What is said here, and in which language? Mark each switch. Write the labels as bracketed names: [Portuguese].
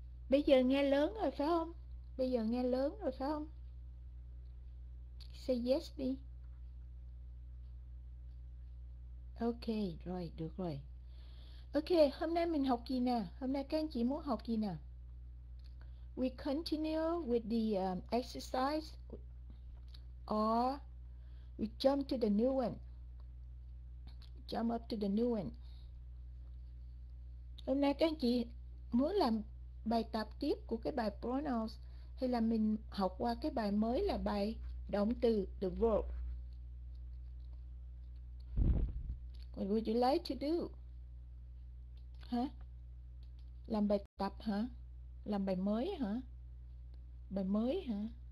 [Vietnamese] Bây giờ nghe lớn rồi phải không? Bây giờ nghe lớn rồi phải không? [English] Say yes [Vietnamese] đi. Ok, rồi, được rồi. Ok, hôm nay mình học gì nè? Hôm nay các anh chị muốn học gì nè? [English] We continue with the exercise or we jump to the new one. Jump up to the new one. [Vietnamese] Hôm nay các anh chị muốn làm bài tập tiếp của cái bài pronouns hay là mình học qua cái bài mới là bài động từ, the verb. [English] What would you like to do? [Vietnamese] Hả? Làm bài tập hả? Làm bài mới hả? Bài mới hả?